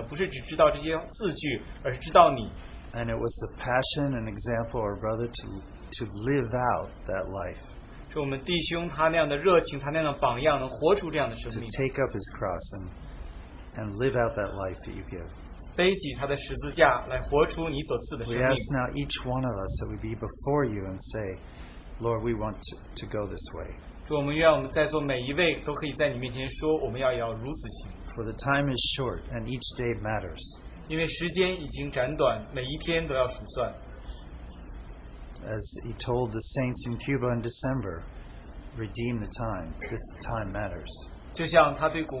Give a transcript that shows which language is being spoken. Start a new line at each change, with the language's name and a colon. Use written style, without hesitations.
Chinese: 我们像我们弟兄先前所分享的，不是只知道这些字句，而是知道你。
English: And it was the passion and example of our brother to live out that life.
Chinese: 是我们弟兄他那样的热情，他那样的榜样，能活出这样的生命。
English: To take up his cross and live out that life that you give.
Chinese: 背起他的十字架，来活出你所赐的生命。
English: We ask now each one of us that we be before you and say, Lord, we want to go this way.
Chinese: 主，我们愿我们在座每一位都可以在你面前说，我们要如此行。
English: For the time is short and each day matters.
Chinese: 因为时间已经短，每一天都要数算。
English: As he told the saints in Cuba in December, redeem the time, this time matters.